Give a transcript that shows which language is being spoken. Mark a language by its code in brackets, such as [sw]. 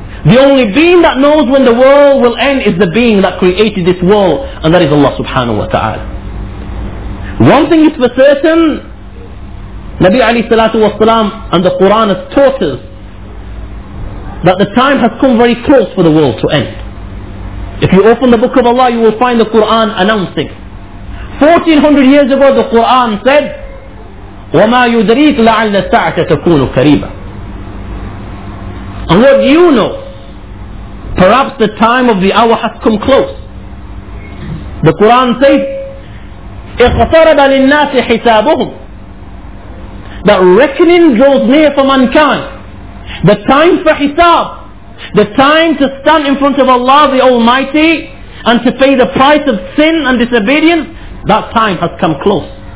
[en] The only being that knows when the world will end is the being that created this world, and that is Allah subhanahu wa ta'ala. One thing is for certain, Nabi alayhi salatu wa salam and the Quran has taught us that the time has come very close for the world to end. If you open the book of Allah, you will find the Quran announcing. 1400 years ago the Quran said, [ar] وَمَا يُدْرِيكَ لَعَلَّ السَّاعَةَ تَكُونُ قَرِيبًا. [en] And what you know, perhaps the time of the hour has come close. The Quran says, [ar] اِقْتَرَبَ لِلنَّاسِ حِسَابُهُمْ, [en] that reckoning draws near for mankind. The time for hisab, the time to stand in front of Allah the Almighty and to pay the price of sin and disobedience, that time has come close.